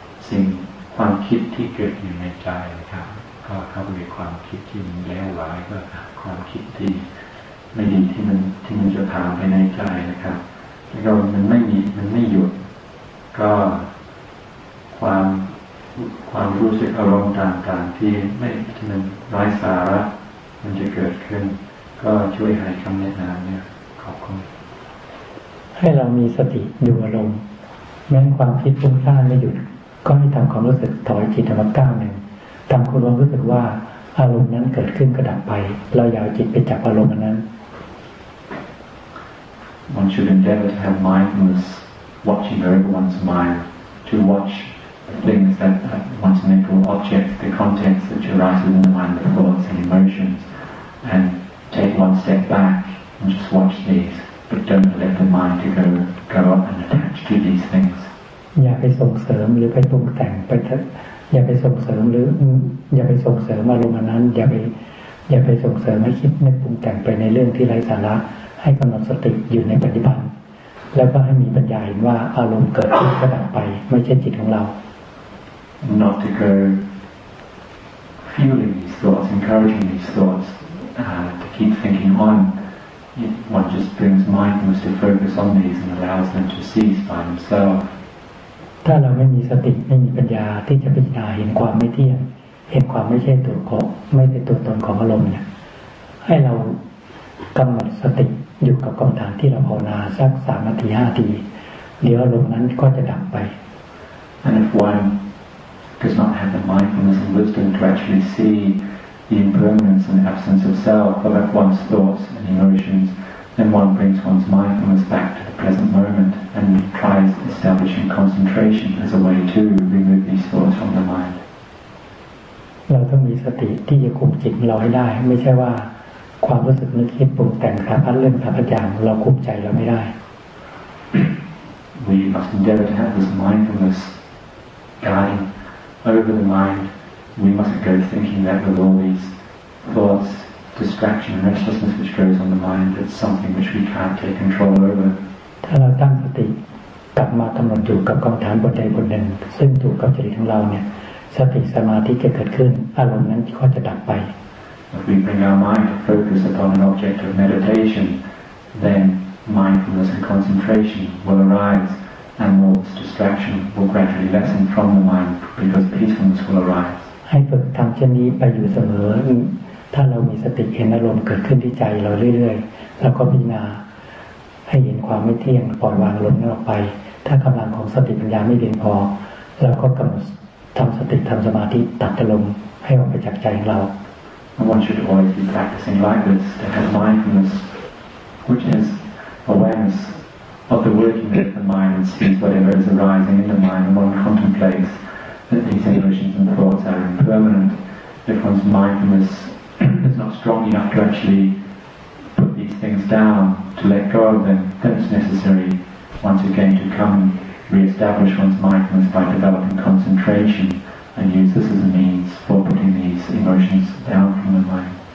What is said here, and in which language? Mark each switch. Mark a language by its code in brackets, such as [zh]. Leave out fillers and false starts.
[th] สิ่งความคิดที่เกิดอยู่ในใจครับก็เขาเรียกความคิดที่มันแย่หลายก็ความคิดที่ไม่ดีที่มันจะพาไปในใจนะครับแล้วมันไม่หยุดก็ความรู้สึกอารมณ์ต่างๆที่ไม่ที่มันไร้สาระมันจะเกิดขึ้นก็ช่วยหายคำแนะนำเนี่ยขอบคุณ ให้เรามีสติอยู่อารมณ์แม้ความคิดฟุ้งซ่านไม่หยุดก็ให้ทำความรู้สึกถอยจิตมาก้าวหนึ่งทำความรู้สึกว่าอารมณ์นั้นเกิดขึ้นก็ดับไปเราอย่าจิตไปจับอารมณ์นั้น [en] One should endeavor to have mindfulness watching over one's mind, to watch the things that one's mental objects, the contents that arise in the mind, the thoughts and emotions, and take one step back and just watch these, but don't let the mind to go up and attach to these things. [th] อย่าไปส่งเสริมหรือไปปรุงแต่งไปอย่าไปส่งเสริมหรืออย่าไปส่งเสริมอารมณ์นั้นอย่าไปส่งเสริมให้คิดไม่ปรุงแต่งไปในเรื่องที่ไร้สาระให้กำหนดสติอยู่ในปัจจุบันแล้วก็ให้มีปัญญาเห็นว่าอารมณ์เกิดขึ้นก็ดับไปไม่ใช่จิตของเรา [en] not to go fueling these thoughts encouraging these thoughts to keep thinking on one just brings mindfulness to focus on these and allows them to cease by themselves [th] ถ้าเราไม่มีสติไม่มีปัญญาที่จะพิจารณาเห็นความไม่เที่ยงเห็นความไม่ใช่ตัวของไม่ใช่ตัวตนของอารมณ์เนี่ยให้เรากำหนดสติอยู่กับกรรมฐานที่เราภาวนาสักสามนาทีห้าทีเดี๋ยวลมนั้นก็จะดับไป [en] And if one does not have the mindfulness and wisdom to actually see the impermanence and absence of self but of one's thoughts and emotions then one brings one's mindfulness back to the present moment and tries establishing concentration as a way to remove these thoughts from the mind [th] เราต้องมีสติที่จะคุมจิตเราให้ได้ไม่ใช่ว่าความรู้สึกนึกคิดปรุงแต่งสารพัดเรื่องสารพัดอย่างเราคุมใจเราไม่ได้ [en] We must endeavor to have this mindfulness guiding over the mind. We mustn't go thinking that with all these thoughts, distraction, restlessness which goes on the mind, it's something which we can't take control over. [th] ถ้าเราตั้งสติกลับมากำหนดอยู่กับกรรมฐานบทใดบทหนึ่งซึ่งถูกกับจริตของเราเนี่ยสติสมาธิจะเกิดขึ้นอารมณ์นั้นก็จะดับไป [en] If we bring our mind to focus upon an object of meditation, then mindfulness and concentration will arise, and all this distraction will gradually lessen from the mind because peacefulness will arise. [th] ให้ฝึกทำเช่นนี้ไปอยู่เสมอถ้าเรามีสติเห็นอารมณ์เกิดขึ้นที่ใจเราเรื่อยๆแล้วก็พิจารณาให้เห็นความไม่เที่ยงปล่อยวางลมนั้นออกไปถ้ากำลังของสติปัญญาไม่เพียงพอเราก็กำหนดทำสติทำสมาธิตัดอารมณ์ให้ออกไปจากใจของเรา [en] One should always be practicing like this, to have mindfulness, which is awareness of the working of the mind and sees whatever is arising in the mind, and one contemplates that these emotions and thoughts are impermanent, if one's mindfulness is not strong enough to actually put these things down, to let go of them, then it's necessary once again to come and re-establish one's mindfulness by developing concentration and use this as a means for putting these emotions down from the mind.